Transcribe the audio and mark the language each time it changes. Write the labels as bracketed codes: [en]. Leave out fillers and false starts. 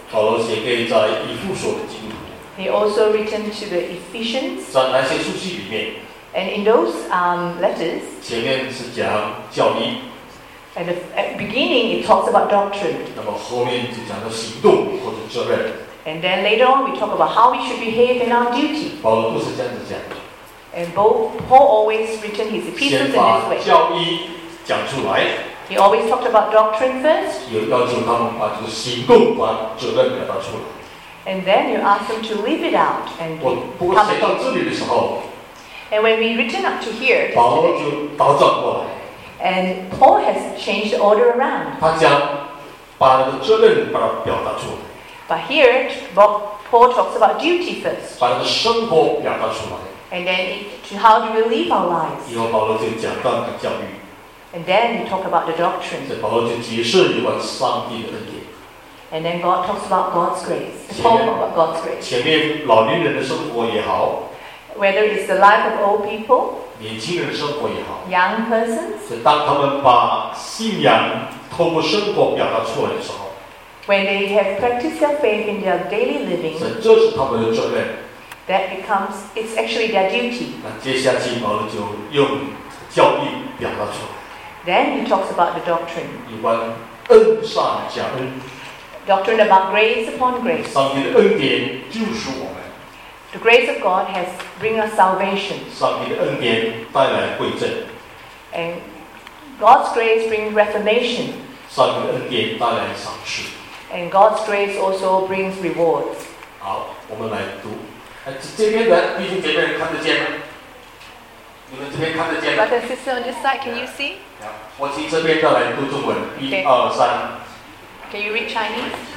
[zh] 保罗写给在以弗所的基督徒。 [en] He also written to the Ephesians. [zh] 在那些书信里面。 [en] And in those letters, [zh] 前面是讲教义 [en] and at the beginning it talks about doctrine. [zh] 那么后面就讲到行动或者责任 [en] And then later on we talk about how we should behave in our duty. [zh] 保罗都是这样子讲的 [en] And Paul always written his epistles in this way. [zh] 先把教义讲出来 [en] He always talked about doctrine first. [zh] 有要求他们把这个行动把责任表达出来 [en] And then you ask them to live it out. And [zh] 不过写到这里的时候 [en] And when we return up to here, [zh] 保罗就倒转过来。 [en] And Paul has changed the order around. [zh] 他将把那个责任把它表达出来。 [en] But here, Paul talks about duty first. [zh] 把那个生活表达出来。 [en] And then, to how do we live our lives? [zh] 以后保罗就讲到那个教育。 [en] And then we talk about the doctrine. [zh] 所以保罗就解释有关上帝的恩典。 [en] And then God talks about God's grace. Paul talks about God's grace. [zh] 前面老年人的生活也好。 [en] Whether it's the life of old people, [zh] 年轻人生活也好 [en] young persons, [zh] 所以当他们把信仰透过生活表达出来的时候 [en] when they have practiced their faith in their daily living, [zh] 所以这是他们的责任 [en] that becomes, it's actually their duty. [zh] 那接下去保罗就用教义表达出来 [en] then he talks about the doctrine, [zh] 有关恩上加恩 [en] doctrine about grace upon grace, [zh] 上帝的恩典就是我们 [en] The grace of God has bring us salvation. [zh] 上帝的恩典带来贵正。 [en] And God's grace bring reformation. [zh] 上帝的恩典带来赏赐。 [en] And God's grace also brings rewards. [zh] 好，我们来读。这边的弟兄姐妹看得见吗？你们这边看得见吗 [en] ？Brother, sister on this side, can you see? [zh] 我请这边的来读中文。一二三。 [en] Can you read Chinese?